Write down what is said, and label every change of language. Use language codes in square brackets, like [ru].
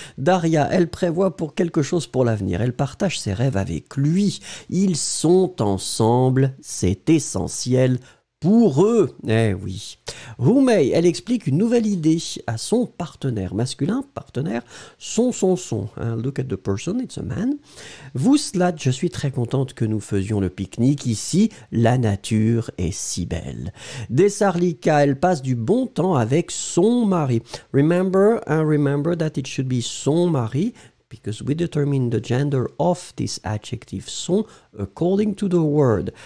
[fr] Daria, elle prévoit pour quelque chose pour l'avenir. Elle partage ses rêves avec lui. Ils sont ensemble, c'est essentiel pour eux. Eh oui. Humei, elle explique une nouvelle idée à son partenaire masculin, partenaire, son. [en] Hein, look at the person, it's a man. [fr] Vuslat, je suis très contente que nous faisions le pique-nique ici. La nature est si belle. Desarlika, elle passe du bon temps avec son mari. [en] Remember that it should be [fr] son mari, [en] because we determine the gender of this adjective son according to the word.